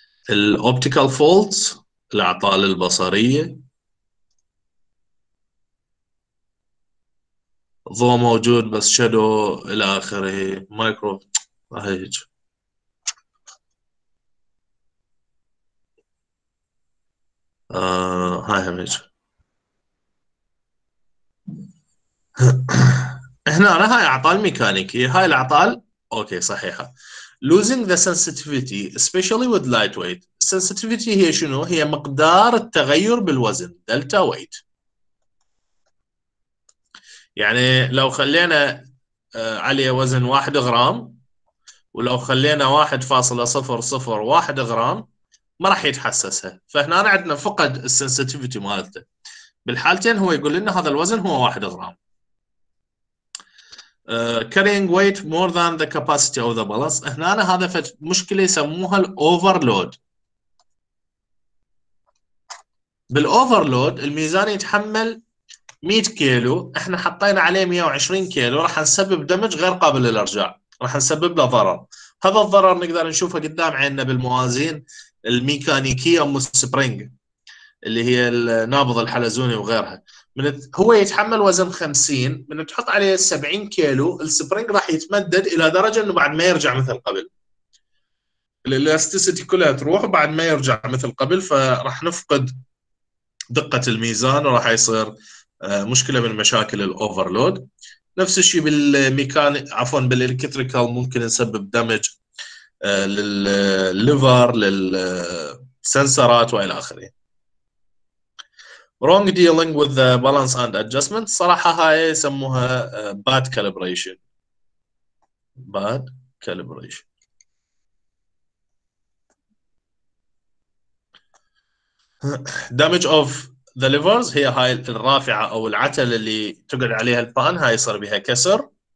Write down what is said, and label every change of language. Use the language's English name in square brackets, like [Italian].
[Arabic] ال optical faults، الأعطال البصرية، ضوء موجود بس شادو إلى آخره، مايكرو هيج. هاي هيج. هنا هاي أعطال ميكانيكية، هاي الأعطال أوكي صحيحة. [English] losing the sensitivity especially with lightweight. [Arabic] Sensitivity هي شنو؟ هي مقدار التغير بالوزن delta weight. يعني لو خلينا عليه وزن 1 غرام ولو خلينا 1.001 غرام ما راح يتحسسها، فهنا عندنا فقد السنسيتيفيتي مالته. بالحالتين هو يقول لنا هذا الوزن هو 1 غرام. [English] Carrying weight more than the capacity of the balance. [Arabic] هنا أنا هذا مشكله يسموها الاوفرلود. بالاوفرلود الميزان يتحمل 100 كيلو، احنا حطينا عليه 120 كيلو راح نسبب دمج غير قابل للارجاع، راح نسبب له ضرر. هذا الضرر نقدر نشوفه قدام عيننا بالموازين الميكانيكيه ام سبرينج اللي هي النابض الحلزوني وغيرها. من هو يتحمل وزن 50، من تحط عليه 70 كيلو السبرينج راح يتمدد الى درجه انه بعد ما يرجع مثل قبل. الالاستيسيتي كلها تروح وبعد ما يرجع مثل قبل، فراح نفقد دقه الميزان وراح يصير مشكله من مشاكل الاوفرلود. نفس الشيء بالالكتريكال ممكن يسبب دمج للليفر للسنسرات والى اخره. [English] Wrong dealing with the balance and adjustment. [Arabic] صراحه هاي يسموها bad calibration. [English] Bad calibration. Damage of the levers [Arabic] هي هاي الرافعه او العتل اللي تقعد عليها البان، هاي صار بها كسر.